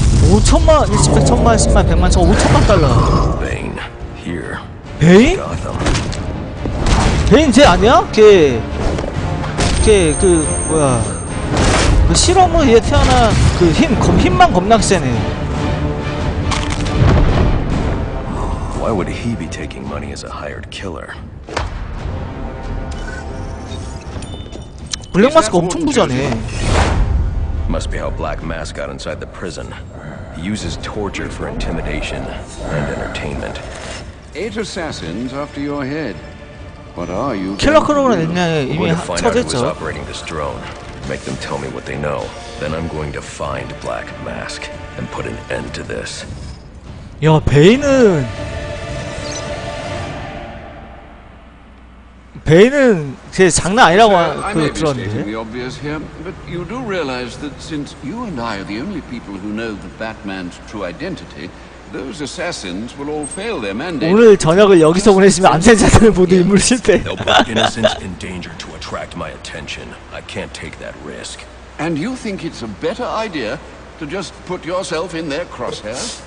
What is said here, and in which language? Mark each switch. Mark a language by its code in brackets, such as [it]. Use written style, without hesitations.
[ko] 5천만, 10만, 1000만, 10만, 100만, 저 5천만 달러. 베인? 베인? 베인 쟤 아니야? 걔. 걔 그 뭐야? 그 실험을 얘 태어난 그 힘, 힘만 겁나 세네. [en] Why would he be taking money as a hired killer? [ko] 블랙마스크 엄청 부자네. [en] Must be how Black Mask got inside the prison. He uses torture for intimidation and entertainment. Eight assassins after your head. What are you? [ko] 킬러 크로우는 이미 처졌죠. [en] We're going to find out who's operating this drone. Make them tell me what they know. Then I'm going to find Black Mask and put an end to this. [ko] 야, 베인은 베인은 제 장난 아니라고 들었는데. [en] I'm obvious here, but you do realize that since you and I are the only people who know the Batman's true identity, those assassins will all fail their mandate. [ko] 오늘 저녁을 여기서 보내시면 암살자들 모두 임무를 실패. [en] They'll put innocents in danger to attract my attention. I can't take that risk. And you think it's a better idea to just put yourself in their crosshairs?